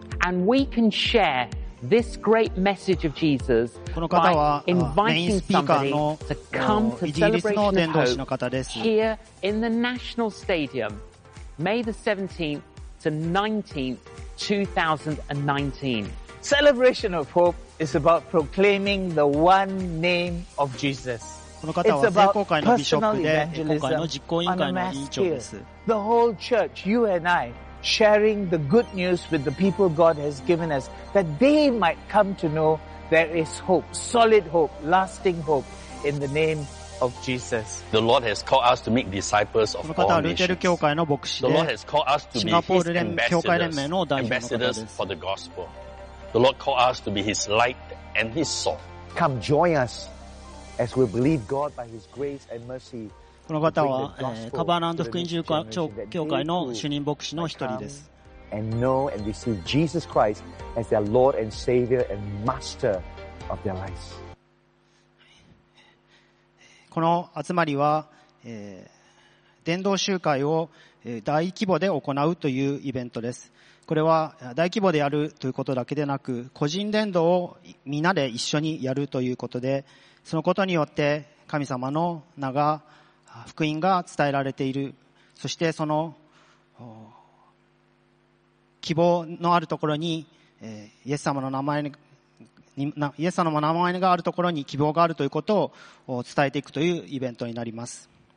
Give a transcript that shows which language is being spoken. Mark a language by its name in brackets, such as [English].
[English] And we can share this great message of Jesus by inviting somebody to come to celebration of hope here in the National Stadium, May the 17th to 19th, 2019. Celebration of hope is about proclaiming the one name of Jesus. [Japanese] この方は聖公会のビショップで聖公会の実行委員会の委員長です。 [English] The whole church, you and I, sharing the good news with the people God has given us, that they might come to know there is hope, solid hope, lasting hope in the name of Jesus. The Lord has called us to make disciples of all nations. [Japanese] この方はルテル教会の牧師で、 [English] The Lord has called us to be His ambassadors, ambassadors for the gospel. The Lord called us to be His light and His salt. Come join us. As we believe God by His grace and mercy, [Japanese] この方は、カバーナント福音長教会の主任牧師の一人です。 [English] And know and receive Jesus Christ as their Lord and Savior and Master of their lives. [Japanese] この集まりは、伝道集会を大規模で行うというイベントです。これは大規模でやるということだけでなく、個人伝道をみんなで一緒にやるということで、そのことによって神様の名が、福音が伝えられている、そしてその希望のあるところに、イエス様の名前に、イエス様の名前があるところに希望があるということを伝えていくというイベントになります。